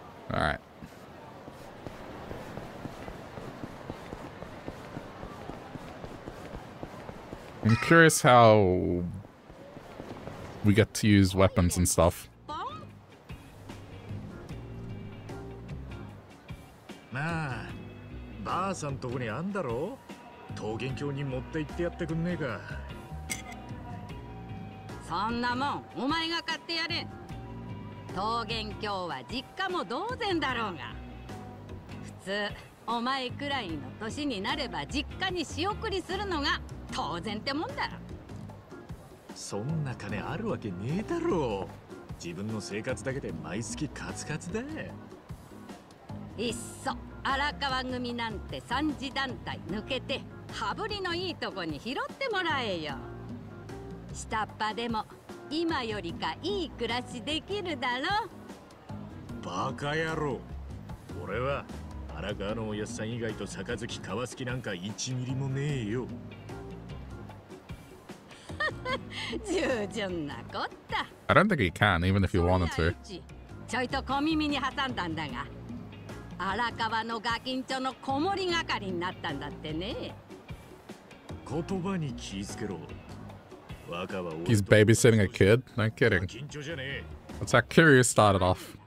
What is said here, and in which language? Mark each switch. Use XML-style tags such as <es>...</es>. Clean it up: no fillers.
<en>Alright. I'm curious how we get to use weapons and stuff.</en> <ja>まあ、ばあさんとこにあんだろ。桃源郷に持って行ってやってくんねえか。そんなもん、お前が買ってやれ。桃源郷は実家も同然だろうが。普通、お前くらいの年になれば実家に仕送りするのが当然ってもんだ。そんな金あるわけねえだろう。自分の生活だけで毎月カツカツだ。いっそ荒川組なんて三次団体抜けて羽振りのいいとこに拾ってもらえよ。下っ端でも今よりかいい暮らしできるだろ。バカ野郎、俺は荒川のおやっさん以外と杯川好きなんか1ミリもねえよ。従順なこった。</ja> <en>I don't think he can, even if he wanted to.</en> <ja>ちょいと小耳に挟んだんだが、荒川のガキンチョの子守係になったんだってね。言葉に気づけろ。</ja> <en>He's babysitting a kid? No kidding. That's how Curious started off.</en>